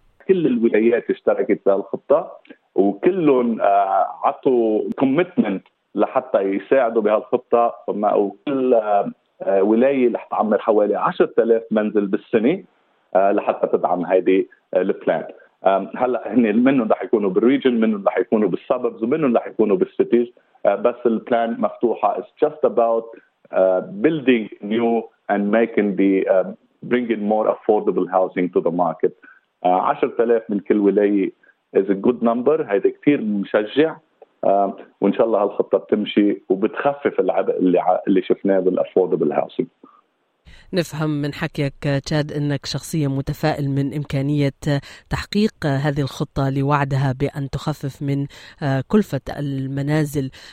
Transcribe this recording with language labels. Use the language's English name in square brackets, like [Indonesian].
[Arabic] كل الولايات اشتركت بهالخطة، وكلهم عطوا كوميتمنت لحتى يساعدوا بهالخطة، وكل ولاية رح تعمر حوالي 10,000 منزل بالسنة لحتى تدعم هذه البلان. هلا هن منهم رح يكونوا بالريجن، منهم رح يكونوا بالسببز، ومنهم رح يكونوا بالسيتيز، بس البلان مفتوحة. [English] It's just about building new and making the bringing more affordable housing to the market. 10,000 [Arabic] من كل ولاية [English] is a good number. [Arabic] هيدا كتير مشجع، وإن شاء الله هالخطة بتمشي وبتخفف العبء اللي شفناه بالأفوردبل هاوسينج. نفهم من حكيك تشاد أنك شخصية متفائل من إمكانية تحقيق هذه الخطة لوعدها بأن تخفف من كلفة المنازل.